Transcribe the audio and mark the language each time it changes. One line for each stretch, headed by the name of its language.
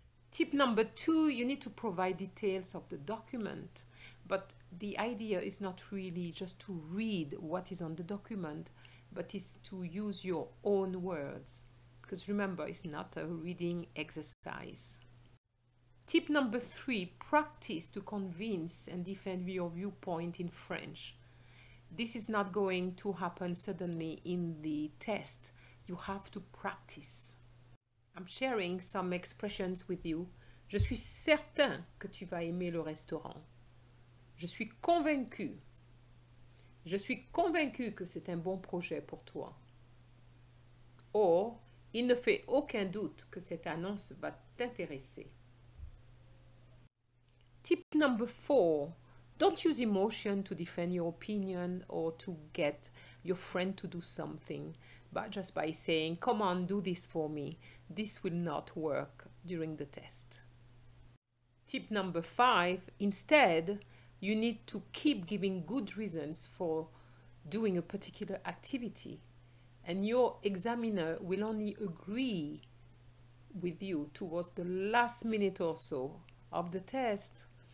English: Tip number 2, you need to provide details of the document, but the idea is not really just to read what is on the document, but is to use your own words, because remember, it's not a reading exercise. Tip number 3, practice to convince and defend your viewpoint in French. This is not going to happen suddenly in the test. You have to practice. I'm sharing some expressions with you.
French: Je suis certain que tu vas aimer le restaurant. Je suis convaincu. Je suis convaincu que c'est un bon projet pour toi. Or, il ne fait aucun doute que cette annonce va t'intéresser.
English: Tip number 4. Don't use emotion to defend your opinion or to get your friend to do something, but just by saying, come on, do this for me. This will not work during the test. Tip number 5, instead, you need to keep giving good reasons for doing a particular activity, and your examiner will only agree with you towards the last minute or so of the test.